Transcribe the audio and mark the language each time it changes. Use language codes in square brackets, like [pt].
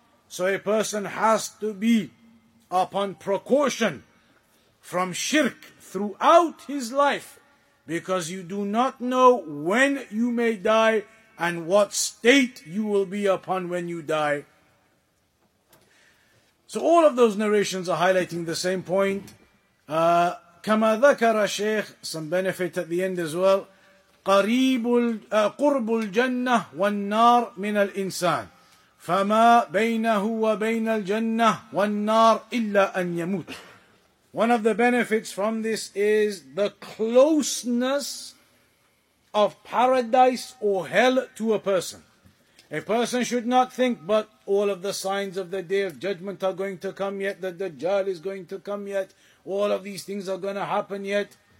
[en] So a person has to be upon precaution from shirk throughout his life, because you do not know when you may die and what state you will be upon when you die. So all of those narrations are highlighting the same point. [ar] Kama dhakara Shaykh, [en] some benefit at the end as well. [ar] قرب الجنة والنار من الإنسان فما بينه وبين الجنة والنار إلا أن يموت. [en] One of the benefits from this is the closeness of paradise or hell to a person. A person should not think, but all of the signs of the day of judgment are going to come yet, the Dajjal is going to come yet, all of these things are going to happen yet.